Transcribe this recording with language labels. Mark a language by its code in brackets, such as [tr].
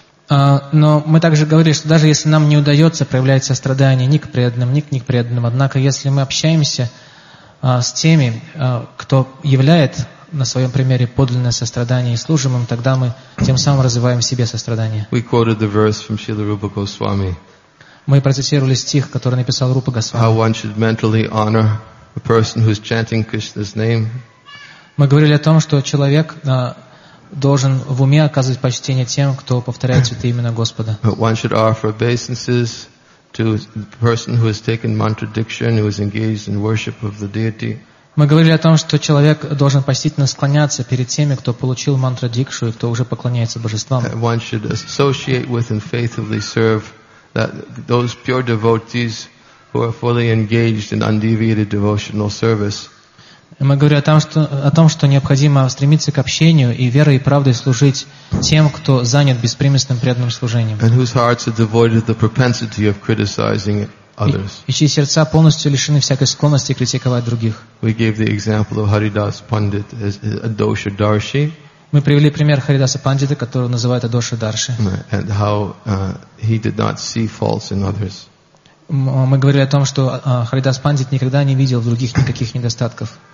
[ru] Но мы также говорили, что даже если нам не удается проявлять сострадание ни к преданным, ни к непреданным, однако если мы общаемся с теми, кто являет на своем примере подлинное сострадание и служим им, тогда мы тем самым развиваем в себе сострадание. [en] We quoted the verse from Srila Rupa Goswami. [ru] Мы процитировали стих, который написал Рупа Госвами. [en] How one should mentally honor a person who is chanting Krishna's name. [ru] Мы говорили о том, что человек должен в уме оказывать почтение тем, кто повторяет святые имена Господа. [en] But one should offer obeisances to the person who has taken mantra diction, who is engaged in worship of the deity. [ru] Мы говорили о том, что человек должен почтительно склоняться перед теми, кто получил мантра дикшу и кто уже поклоняется божествам. [en] One should associate with and faithfully serve that those pure devotees who are fully engaged in undeviated devotional service. [ru] Мы говорили о том, что необходимо стремиться к общению и верой и правдой служить тем, кто занят беспримесным преданным служением. [en] And whose hearts are devoid of the propensity of criticizing it. [ru] И чьи сердца полностью лишены всякой склонности критиковать других. [en] We gave the example of Haridas Pandit as Adosha Darshi. [ru] Мы привели пример Харидаса Пандита, которого называют Адоша Дарши. [en] And how he did not see faults in others. [ru] Мы говорили о том, что Харидас Пандит никогда не видел в других никаких недостатков.